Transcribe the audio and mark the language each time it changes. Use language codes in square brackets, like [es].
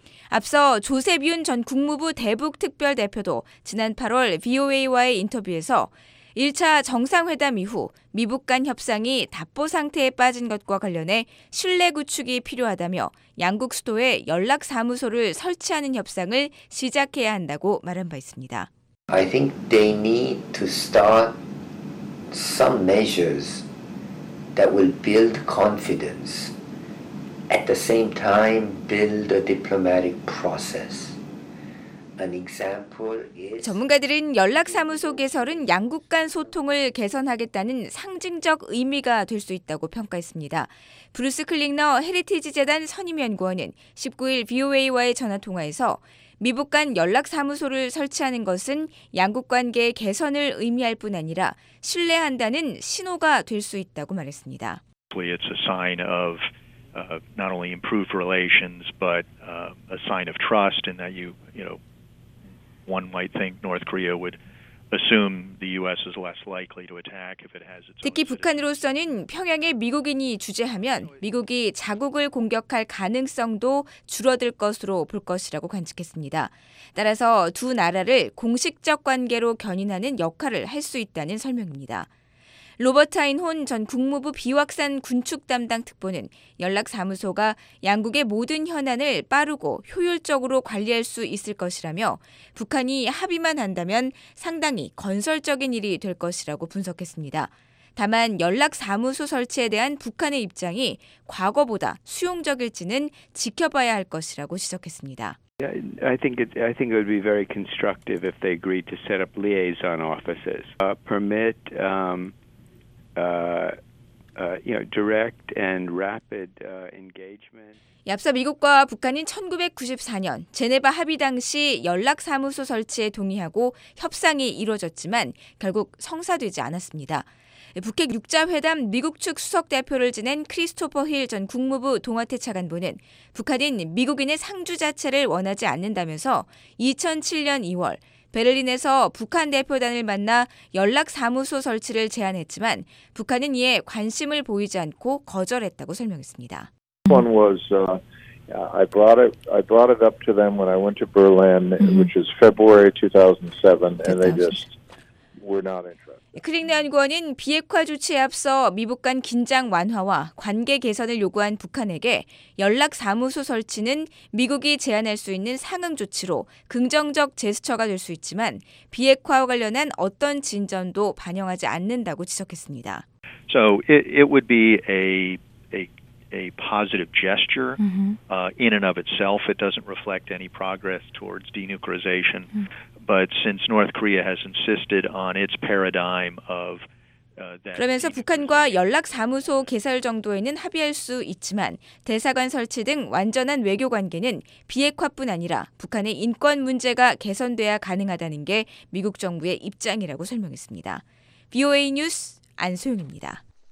[ko] 앞서 조셉 윤 전 국무부 대북특별대표도 지난 8월 VOA와의 인터뷰에서 1차 정상회담 이후 미북 간 협상이 답보 상태에 빠진 것과 관련해 신뢰 구축이 필요하다며 양국 수도에 연락사무소를 설치하는 협상을 시작해야 한다고 말한 바 있습니다. [en] I think they need to start some measures that will build confidence at the same time build a diplomatic process. An example is [ko] 전문가들은 연락사무소 개설은 양국 간 소통을 개선하겠다는 상징적 의미가 될 수 있다고 평가했습니다. 브루스 클링너 헤리티지 재단 선임연구원은 19일 VOA와의 전화 통화에서 미북 간 연락사무소를 설치하는 것은 양국 관계 개선을 의미할 뿐 아니라 신뢰한다는 신호가 될 수 있다고 말했습니다. [en] It's a sign of not only improved relations, but a sign of trust in that you know, one might think North Korea would assume the U.S. is less likely to attack if it has its own. [ko] 특히 북한으로서는 평양에 미국인이 주재하면 미국이 자국을 공격할 가능성도 줄어들 것으로 볼 것이라고 관측했습니다. 따라서 두 나라를 공식적 관계로 견인하는 역할을 할 수 있다는 설명입니다. 로버트 하인혼 전 국무부 비확산 군축 담당 특보는 연락사무소가 양국의 모든 현안을 빠르고 효율적으로 관리할 수 있을 것이라며 북한이 합의만 한다면 상당히 건설적인 일이 될 것이라고 분석했습니다. 다만 연락사무소 설치에 대한 북한의 입장이 과거보다 수용적일지는 지켜봐야 할 것이라고 지적했습니다. [en] I think it would be very constructive if they agreed to set up liaison offices. Direct and rapid engagement. [ko] 앞서 미국과 북한은 1994년 제네바 합의 당시 연락사무소 설치에 동의하고 협상이 이루어졌지만 결국 성사되지 않았습니다. 북핵 6자회담 미국 측 수석대표를 지낸 크리스토퍼 힐 전 국무부 동아태 차관보는 북한은 미국인의 상주 자체를 원하지 않는다면서 2007년 2월 베를린에서 북한 대표단을 만나 연락사무소 설치를 제안했지만 북한은 이에 관심을 보이지 않고 거절했다고 설명했습니다. [en] One was I brought it up to them when I went to Berlin, mm-hmm. which is February 2007, and they just were not interested. [ko] 클링 대한관은 비핵화 조치에 앞서 미국 간 긴장 완화와 관계 개선을 요구한 북한에게 연락 사무소 설치는 미국이 제안할 수 있는 상응 조치로 긍정적 제스처가 될 수 있지만 비핵화와 관련한 어떤 진전도 반영하지 않는다고 지적했습니다. [en] So it would be a positive gesture in and of itself. It doesn't reflect any progress towards denuclearization. But since North Korea has insisted on its paradigm of [ko] 그러면서 북한과 연락 사무소 개설 정도에는 합의할 수 있지만 대사관 설치 등 완전한 외교 관계는 비핵화뿐 아니라 북한의 인권 문제가 개선돼야 가능하다는 게 미국 정부의 입장이라고 설명했습니다. VOA 뉴스 안소영입니다.